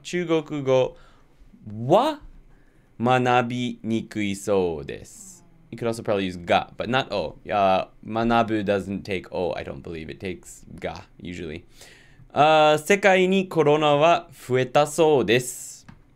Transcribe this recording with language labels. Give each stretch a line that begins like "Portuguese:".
Japanese: 中国語は学びにくいそうです.
English: You could also probably use ga, but not o. Manabu doesn't take o, I don't believe. It takes ga, usually.
Japanese: 世界にコロナは増えたそうです.